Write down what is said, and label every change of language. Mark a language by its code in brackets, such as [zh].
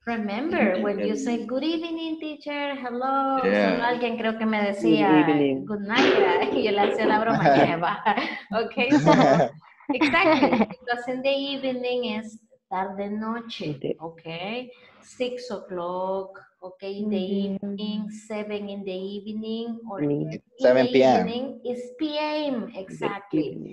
[en] Remember, when you say, good evening, teacher, hello. Yeah. [es] So, alguien creo que me decía, [en] good night. [es] Y yo le hacía la broma, Eva. Okay, so, exactly. [en] Because in the evening is [es] tarde noche, [en] okay, 6 o'clock, okay, in the evening, 7 in the evening, or 7 p.m. is p.m. exactly.